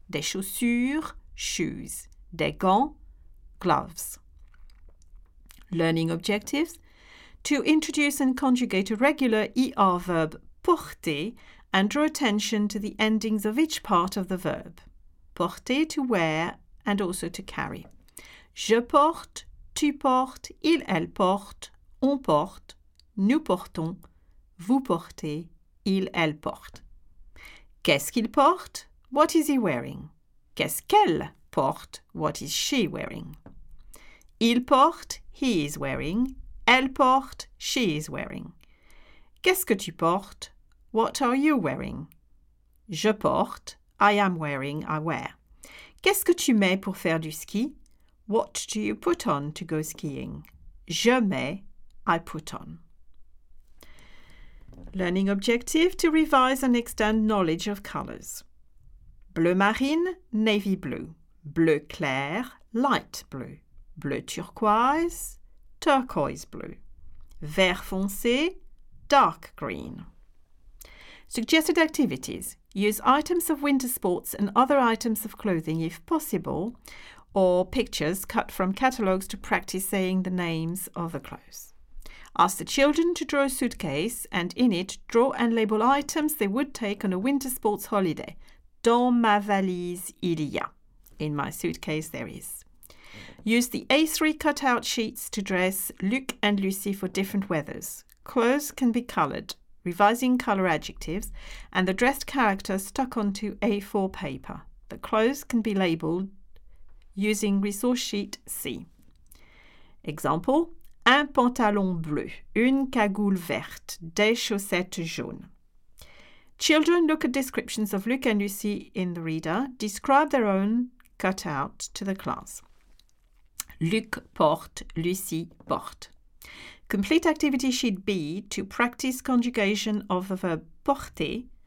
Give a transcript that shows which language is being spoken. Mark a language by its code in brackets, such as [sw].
[fr] Des chaussures, shoes. Des gants, gloves. [en] Learning objectives. To introduce and conjugate a regular ER verb porter and draw attention to the endings of each part of the verb. Porter, to wear, and also to carry. [fr] Je porte, tu portes, il, elle porte, on porte, nous portons, vous portez, il, elle porte. Qu'est-ce qu'il porte? [en] What is he wearing? [fr] Qu'est-ce qu'elle porte? [en] What is she wearing? [fr] Il porte, [en] he is wearing. [fr] Elle porte, [en] she is wearing. [fr] Qu'est-ce que tu portes? [en] What are you wearing? [fr] Je porte, [en] I am wearing, I wear. [fr] Qu'est-ce que tu mets pour faire du ski? [en] What do you put on to go skiing? [fr] Je mets, [en] I put on. Learning objective, to revise and extend knowledge of colours. [fr] Bleu marine, navy blue. Bleu clair, light blue. Bleu turquoise, turquoise blue. Vert foncé, dark green. [en] Suggested activities. Use items of winter sports and other items of clothing if possible, or pictures cut from catalogues to practice saying the names of the clothes. Ask the children to draw a suitcase and in it draw and label items they would take on a winter sports holiday. [fr] Dans ma valise, il y a. [en] In my suitcase, there is. Use the A3 cutout sheets to dress Luc and Lucie for different weathers. Clothes can be coloured, revising colour adjectives, and the dressed character stuck onto A4 paper. The clothes can be labelled using resource sheet C. [fr] Example, un pantalon bleu, une cagoule verte, des chaussettes jaunes. [en] Children look at descriptions of Luc and Lucie in the reader. Describe their own cutout to the class. [fr] Luc porte, Lucie porte. [en] Complete activity sheet B to practice conjugation of the verb porter.